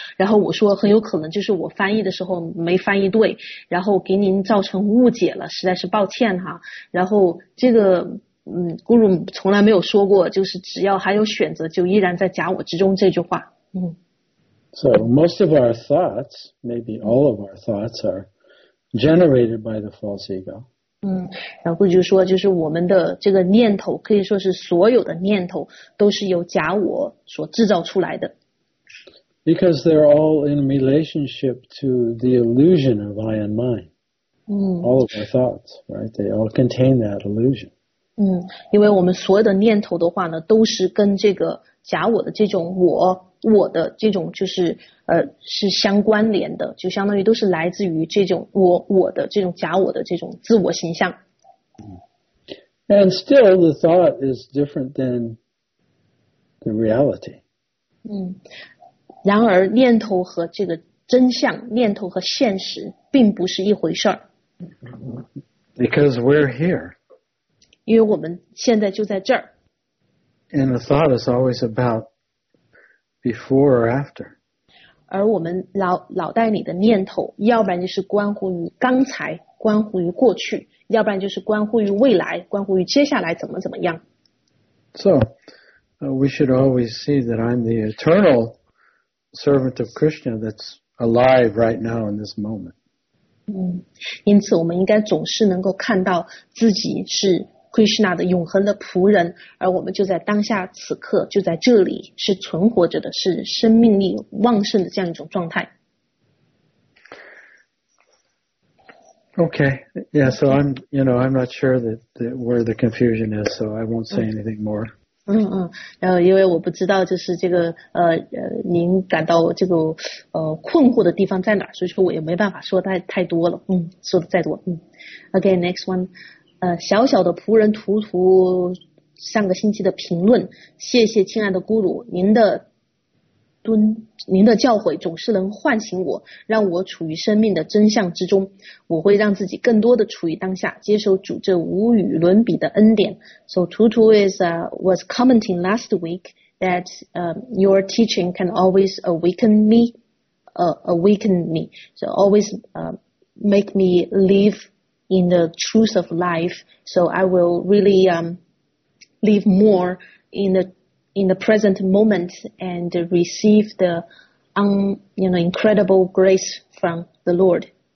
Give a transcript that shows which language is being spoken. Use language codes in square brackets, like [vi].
[zh] 然后我说很有可能就是我翻译的时候没翻译对，然后给您造成误解了，实在是抱歉哈。然后这个Guru 从来没有说过，就是只要还有选择，就依然在假我之中这句话。 [en] So most of our thoughts, maybe all of our thoughts are generated by the false ego. [zh] 然后就是说，就是我们的这个念头，可以说是所有的念头都是由假我所制造出来的。 [en] Because they're all in relationship to the illusion of I and mine. All of our thoughts, right? They all contain that illusion. [zh] 因为我们所有的念头的话呢，都是跟这个假我的这种我的这种就是是相关联的，就相当于都是来自于这种我的这种假我的这种自我形象。 [en] And still the thought is different than the reality. [zh] 然而念头和这个真相，念头和现实并不是一回事儿。 [en] Because we're here. [zh] 因为我们现在就在这儿。 [en] And the thought is always about before or after. [zh] 而我们脑袋里的念头，要不然就是关乎于刚才，关乎于过去，要不然就是关乎于未来，关乎于接下来怎么怎么样。 [en] So, we should always see that I'm the eternal servant of Krishna that's alive right now in this moment. [zh] 因此我们应该总是能够看到自己是Krishna 的永恒的仆人，而我们就在当下此刻，就在这里，是存活着的，是生命力旺盛的这样一种状态。 [en] Okay, yeah. So I'm, you know, I'm not sure that where the confusion is, so I won't say anything more. [zh] 因为我不知道就是这个您感到这个困惑的地方在哪，所以说我也没办法说太多了。说的再多， [en] Okay, next one. [zh] 小小的仆人图图上个星期的评论，谢谢亲爱的咕噜，您的教诲总是能唤醒我，让我处于生命的真相之中。我会让自己更多的处于当下，接受主这无与伦比的恩典。 [en] So Tutu was commenting last week that your teaching can always awaken me, so always make me live. In the truth of life, so I will really live more in the present moment and receive the incredible grace from the Lord.